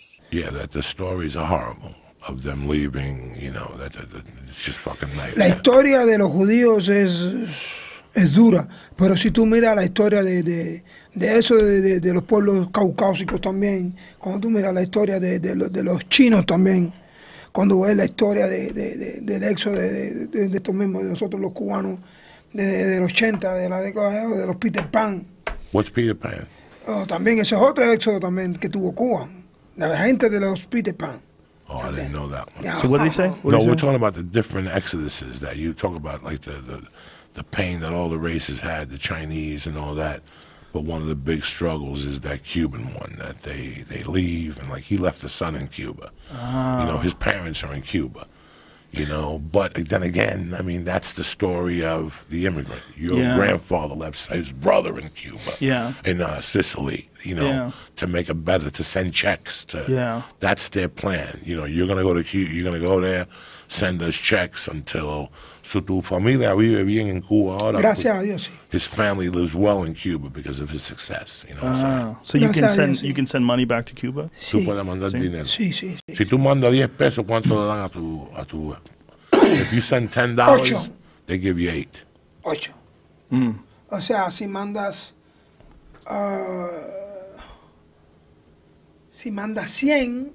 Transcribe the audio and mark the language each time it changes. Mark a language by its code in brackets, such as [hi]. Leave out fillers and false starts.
[en] Yeah, that the stories are horrible of them leaving, you know, it's just fucking nightmare. [es] La historia de los judíos es dura, pero si tú miras la historia de los pueblos caucásicos también, cuando tú miras la historia de los chinos también, cuando ves la historia del éxodo de estos mismos, de nosotros los cubanos, de los 80, de la década de los Peter Pan. [en] What's Peter Pan? [es] Oh, también ese es otro éxodo también que tuvo Cuba, la gente de los Peter Pan. [en] Oh, I didn't know that one. So what did he say? No, we're talking about the different exoduses that you talk about, like the pain that all the races had, the Chinese and all that. But one of the big struggles is that Cuban one, that they leave, and like he left a son in Cuba. You know, his parents are in Cuba, you know. But then again, I mean, that's the story of the immigrant. Your grandfather left his brother in Cuba, in Sicily. You know, to make it better, to send checks to. Yeah. That's their plan. You know, you're gonna go to Cuba. You're gonna go there, send us checks until. [es] So tu familia vive bien en Cuba. Gracias a Dios. [en] His family lives well in Cuba because of his success. You know. What I'm saying? So you can send Dios, you can send money back to Cuba. [es] Sí. Tú puedes mandar dinero. Sí, sí, sí. Si tú mandas 10 pesos, ¿cuánto le dan a tu? [en] If you send $10, [es] ocho. [en] They give you 8. [es] Ocho. Mm. O sea, si mandas. Si manda 100,